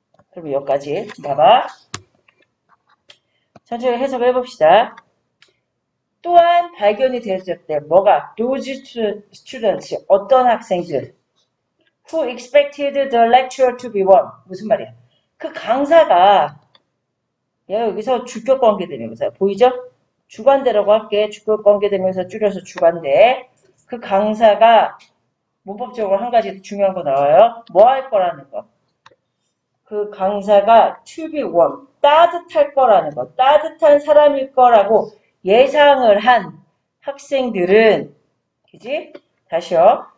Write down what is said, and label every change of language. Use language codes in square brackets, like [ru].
[ko] 그럼 여기까지 봐봐. 천천히 해석을 해봅시다. 또한 발견이 되어졌대. 뭐가? [en] Those students, [ko] 어떤 학생들? [en] Who expected the lecture to be one? [ko] 무슨 말이야? 그 강사가 얘 여기서 주격 관계대명사 보이죠? 주관대라고 할게. 주격 관계대명사 줄여서 주관대. 그 강사가 문법적으로 한 가지 중요한 거 나와요. 뭐할 거라는 거? 그 강사가 [en] to be warm, [ko] 따뜻할 거라는 거, 따뜻한 사람일 거라고 예상을 한 학생들은, 그지? 다시요.